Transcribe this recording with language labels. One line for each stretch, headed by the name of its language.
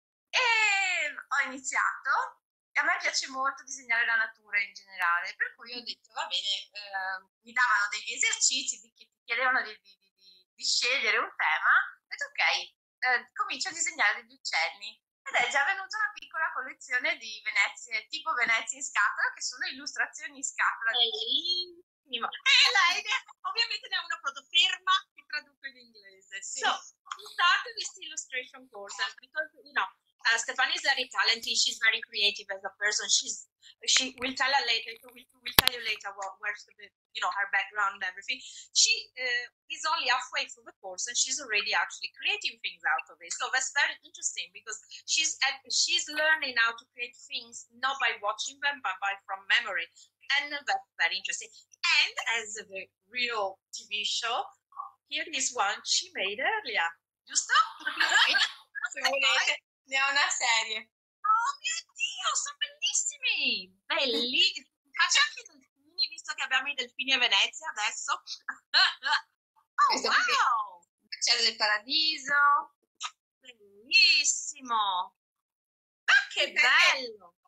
Italian: E ho iniziato, e a me piace molto disegnare la natura in generale, per cui ho detto, va bene, mi davano degli esercizi, ti chiedevano di scegliere un tema, ho detto, ok, comincio a disegnare degli uccelli. Ed è già venuta una piccola collezione di Venezia, tipo Venezia in scatola, che sono illustrazioni in scatola. Ovviamente ne ho una foto ferma che traduco in inglese. Sì.
English: So, you started this illustration course, because, you know, Stefania is very talented, she's very creative as a person. We'll tell you later where's the, you know, her background and everything. She is only halfway through the course and she's already actually creating things out of it. So that's very interesting because she's learning how to create things not by watching them but by from memory. And that's very interesting. And as the real TV show, here is one she made earlier.
Italian: Giusto? Ne ho una serie. Oh mio Dio, sono bellissimi! Belli! Faccio anche i tuoi, visto visto che abbiamo i delfini a Venezia adesso. Oh, wow! Uccello del paradiso. Bellissimo! Ma che bello!